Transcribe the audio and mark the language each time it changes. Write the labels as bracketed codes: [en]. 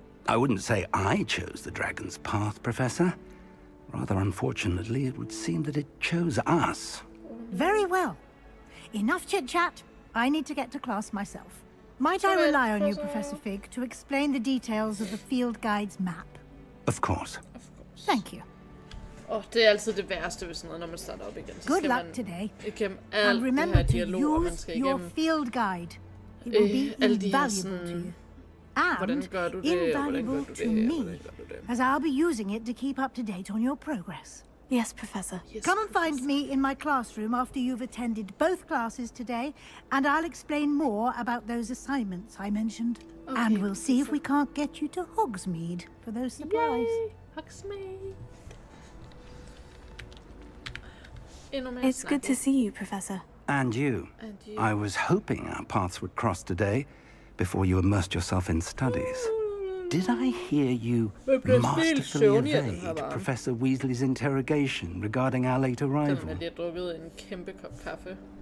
[en] I wouldn't say I chose the dragon's path, Professor. Rather unfortunately, it would seem that it chose us. Very well. Enough chit-chat. I need to get to class myself. Might I rely on you, Professor Fig, to explain the details of the field guide's map? Of course. Thank you. [da] Oh, det er altid det værste, hvis noget, når man starter op igen. [en] Good luck today. And remember to use your field guide. It will be invaluable to you. And invaluable to me, as I'll be using it to keep up to date on your progress. Yes, Professor. Come and find me in my classroom after you've attended both classes today, and I'll explain more about those assignments I mentioned. Okay. And we'll see if we can't get you to Hogsmeade for those supplies. Yay! Hogsmeade! It's good to see you, Professor. And you. I was hoping our paths would cross today, before you immersed yourself in studies. Did I hear you masterfully evade Professor Weasley's interrogation regarding our late arrival? [da] Den, jeg lige har drukket en kæmpe kop kaffe.